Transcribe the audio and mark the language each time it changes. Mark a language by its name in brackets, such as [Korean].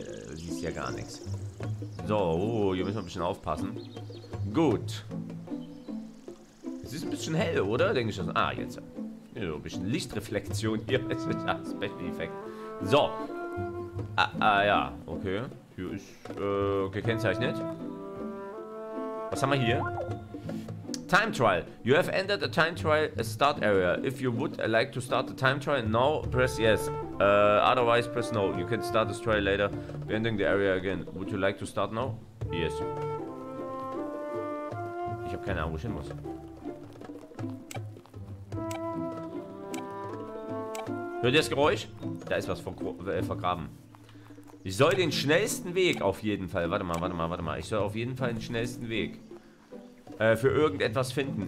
[German] Du siehst ja gar nichts. So, oh, hier müssen wir ein bisschen aufpassen. Gut. Es ist ein bisschen hell, oder? Denke ich das. Ah, jetzt. Ja, ein bisschen Lichtreflexion hier. Das ist ein Special Effekt. So. Ja. Okay. Hier ist gekennzeichnet. Was haben wir hier? Time Trial. [English] You have entered a Time Trial Start Area. If you would like to start the Time Trial now, press yes. Otherwise, press no. You can start this trial later. We're ending the area again. Would you like to start now? Yes. [German] Ich habe keine Ahnung, wo ich hin muss. Hört ihr das Geräusch? Da ist was vergraben. Ich soll den schnellsten Weg auf jeden Fall. Warte mal. Ich soll auf jeden Fall den schnellsten Weg für irgendetwas finden.